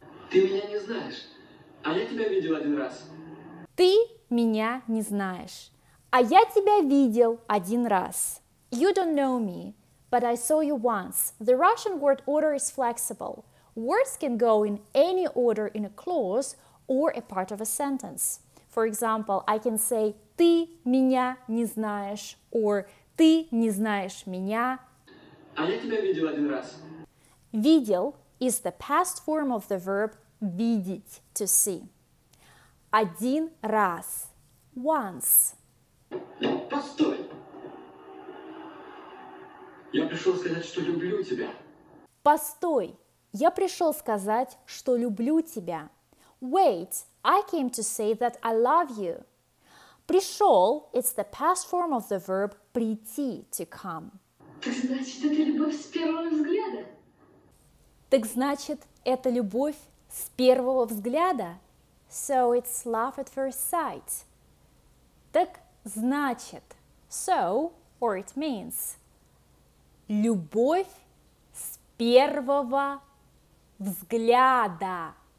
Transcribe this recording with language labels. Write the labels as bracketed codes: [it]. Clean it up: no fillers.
[ru] Ты меня не знаешь, а я тебя видел один раз. Ты меня не знаешь, а я тебя видел один раз. [en] You don't know me, but I saw you once. The Russian word order is flexible. Words can go in any order in a clause or a part of a sentence. For example, I can say [ru] ты меня не знаешь [en] or [ru] ты не знаешь меня. А я тебя видел один раз. [en] Видел is the past form of the verb видеть, to see. [ru] Один раз. Once. Постой. Я пришел сказать, что люблю тебя. Постой. Я пришел сказать, что люблю тебя. [en] Wait, I came to say that I love you. Пришел, it's the past form of the verb прийти, to come. [ru] Так значит, это любовь с первого взгляда? Так значит, это любовь с первого взгляда? [en] So it's love at first sight. [ru] Так значит, [en] so, or it means, [ru] любовь с первого взгляда.